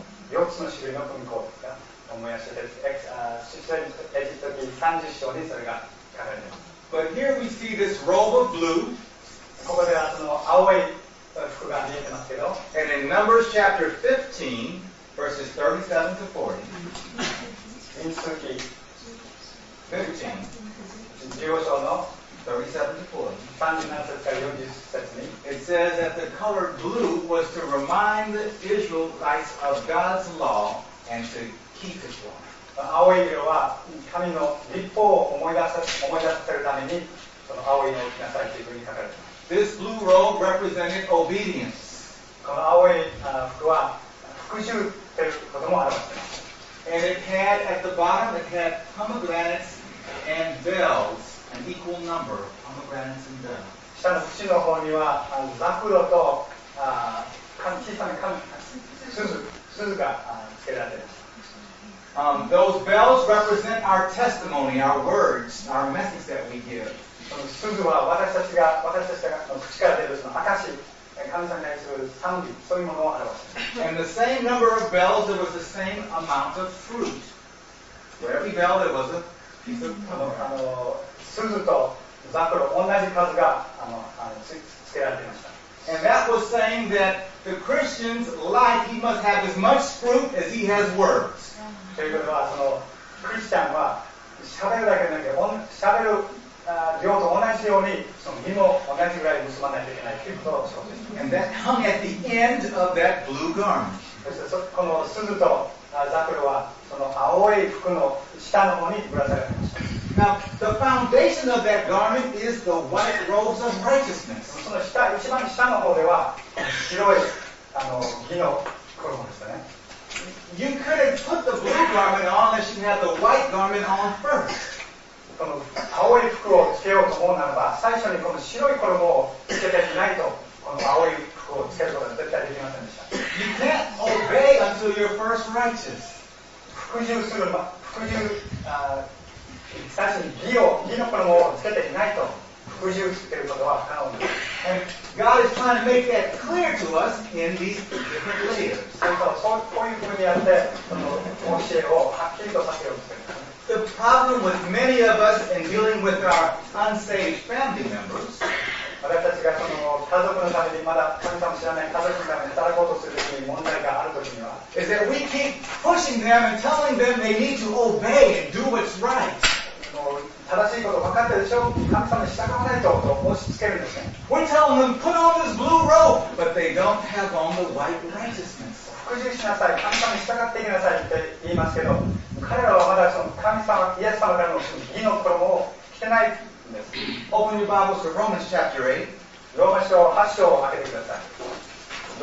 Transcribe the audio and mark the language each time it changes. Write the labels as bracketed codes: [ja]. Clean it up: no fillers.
[ja] 四つの種類のクミコーが燃やしていたエジプト記30章にそれが書かれています [en] But here we see this robe of blue [ja] ここではその青い服が見えてますけど [en] And in Numbers chapter 15 verses 37 to 40 [ja] 民数記 15 15章の [en] 37 to 40 [ja] 37節から40節に [en] It says that the color blue was to remind the Israelites of God's law and to keep his law [ja] 青い色は神の律法を思い出せるためにその青い色を着なさいというふうに書かれています [en] This blue robe represented obedience. [ja] この青い服は服従ということも表しています。 [en] And it had at the bottom, it had pomegranates and bells an equal number of pomegranates and dill. [ja] 下の節の方には、ザクロと、小さな柑橘、鈴が、つけられています。 [en] Those bells represent our testimony, our words, our message that we give. [ja] その鈴は私たちが口から出るその証、神様に対する賛美、そういうものを表します。 [en] And the same number of bells, there was the same amount of fruit. For every bell, there was a piece of pomegranate. [ja] 鈴とザクロ同じ数が つけられていました。 [en] And that was saying that the Christian's life, he must have as much fruit as he has words. [ja] ということは、その、クリスチャンは、喋るだけでなくて、喋る量と同じように、その身も同じぐらい結ばないといけないということを証明する。 [en] And that hung at the end of that blue garment. [ja] そしてそ、この鈴とザクロは、その青い服の下の方にぶら下がりました。 [en] Now, the foundation of that garment is the white robes of righteousness. [ja] その下、一番下の方では、白い、義の衣でしたね。 [en] You couldn't put the blue garment on unless you had the white garment on first. [ja] この青い服を着けようと思うならば、最初にこの白い衣を着けていないと、この青い服を着けることは絶対できませんでした。 [en] You can't obey until you're first righteous. [ja] 服従する、服従、最初に義の衣を着けていないと、服従していることは不可能です。 [en] And God is trying to make that clear to us in these different layers. [ja] そういうふうにやって、その教えをはっきりとさせようとしています。 [en] The problem with many of us in dealing with our unsaved family members, [ja] 私たちがその家族のために、まだ神様知らない家族のために働こうとするときに問題があるときには、 [en] is that we keep pushing them and telling them they need to obey and do what's right. [ja] 正しいこと分かってるでしょ神様に従わないと、と押し付けるんですね。 [en] We're telling them, put on this blue robe, but they don't have on the white righteousness. [ja] 服従しなさい、神様に従っていきなさいって言いますけど、彼らはまだその神様、イエス様からの義の衣を着てないんです。 [en] Open your Bibles to Romans chapter 8. [ja] ローマ書8章を開けてください。